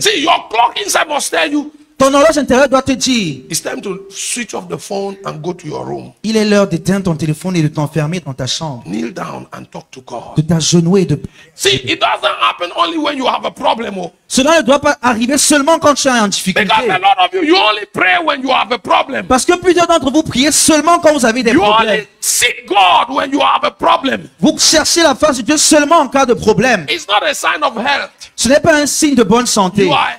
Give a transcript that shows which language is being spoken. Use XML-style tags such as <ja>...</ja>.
<en>See, your clock inside must tell you.</en> <fr>Ton horloge intérieure doit te dire.</fr> <en>It's time to switch off the phone and go to your room.</en> <fr>Il est l'heure d'éteindre ton téléphone et de t'enfermer dans ta chambre.</fr> <en>Kneel down and talk to God.</en> <fr>De t'agenouiller et de.</fr> <en>See, it doesn't happen only when you have a problem.</en> <fr>Cela ne doit pas arriver seulement quand tu es en difficulté. Parce que plusieurs d'entre vous priez seulement quand vous avez des problèmes. Vous cherchez la face de Dieu seulement en cas de problème. Ce n'est pas un signe de bonne santé.</fr>